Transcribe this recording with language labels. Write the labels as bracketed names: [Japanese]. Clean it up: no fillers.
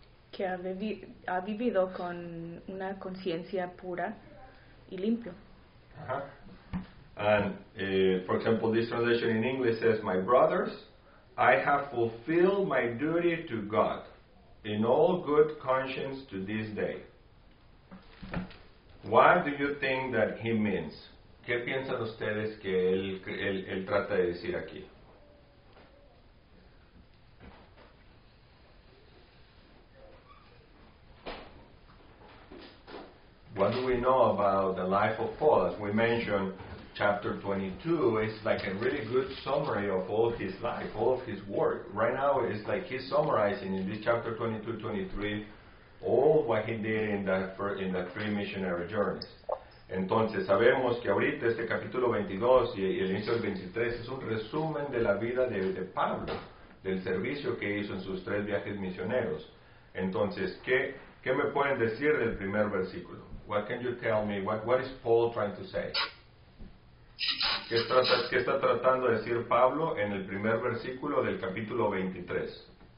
[Spanish] Que ha vivido con una conciencia pura y limpio. Uh-huh. [English] And, for example, this translation in English says, my brothers, I have fulfilled my duty to God in all good conscience to this day. What do you think that he means? [Spanish] ¿Qué piensan ustedes que él trata de decir aquí? [English] What do we know about the life of Paul? As we mentioned, chapter 22 is like a really good summary of all his life, all of his work. Right now, it's like he's summarizing in this chapter 22-23 all what he did in the three missionary journeys. [Spanish] Entonces, sabemos que ahorita este capítulo 22 y el inicio del 23 es un resumen de la vida de Pablo, del servicio que hizo en sus tres viajes misioneros. Entonces, ¿qué me pueden decir del primer versículo? [English] What can you tell me? What is Paul trying to say? [Spanish] ¿Qué está tratando de decir Pablo en el primer versículo del capítulo 23?